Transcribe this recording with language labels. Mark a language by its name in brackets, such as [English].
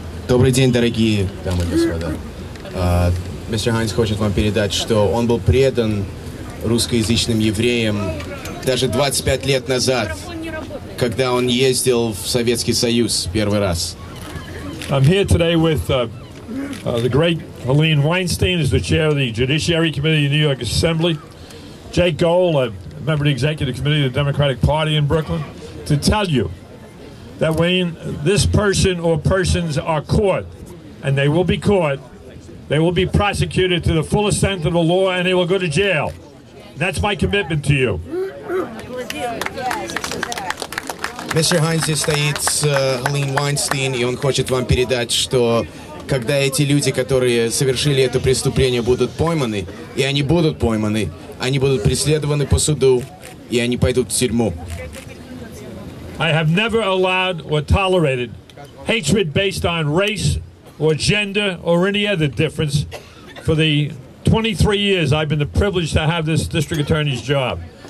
[Russian] Добрый день, дорогие дамы и господа. Мистер Хайнц хочет вам передать, что он был предан русскоязычным евреям даже 25 лет назад, когда он ездил в Советский Союз первый раз. [English] I'm here today with the great Helene Weinstein, who's the chair of the Judiciary Committee of the New York Assembly, Jake Gohl, a member of the Executive Committee of the Democratic Party in Brooklyn, to tell you that when this person or persons are caught, and they will be caught, they will be prosecuted to the full extent of the law, and they will go to jail. That's my commitment to you. [Russian] Мистер Хайнц, здесь стоит Helene Weinstein, и он хочет вам передать, что когда эти люди, которые совершили это преступление, будут пойманы, и они будут пойманы, они будут преследованы по суду, и они пойдут в тюрьму. [English] I have never allowed or tolerated hatred based on race or gender or any other difference for the 23 years I've been the privilege to have this district attorney's job.